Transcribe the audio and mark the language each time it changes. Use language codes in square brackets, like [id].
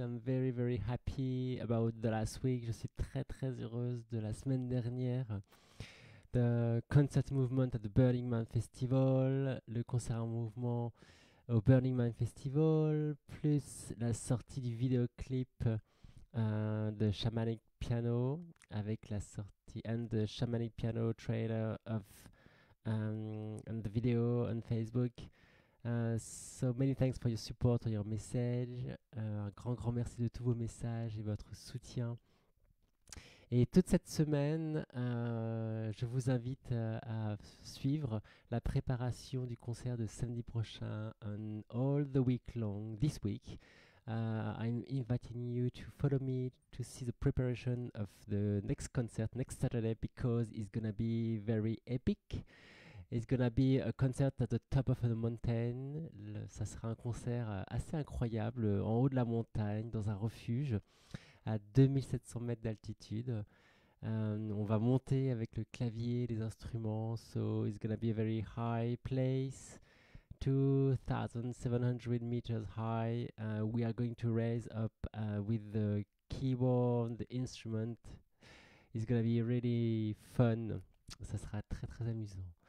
[en] I'm very very happy about the last week. [fr] Je suis très très heureuse de la semaine dernière. [en] The concert movement at the Burning Man Festival. [fr] Le concert en mouvement au Burning Man Festival. Plus la sortie du vidéoclip de Shamanic Piano avec la sortie [en] and the Shamanic Piano trailer of and the video on Facebook. So many thanks for your support or your message. [fr] Un grand grand merci de tous vos messages et votre soutien. Et toute cette semaine, je vous invite à suivre la préparation du concert de samedi prochain [en] and all the week long this week. I'm inviting you to follow me to see the preparation of the next concert next Saturday because it's gonna be very epic. It's gonna be a concert at the top of the mountain. [fr] Ça sera un concert assez incroyable en haut de la montagne, dans un refuge à 2700 mètres d'altitude. On va monter avec le clavier, les instruments. [en] So it's gonna be a very high place. 2700 meters high. We are going to raise up with the keyboard, the instrument. It's gonna be really fun. [fr] Ça sera très très amusant.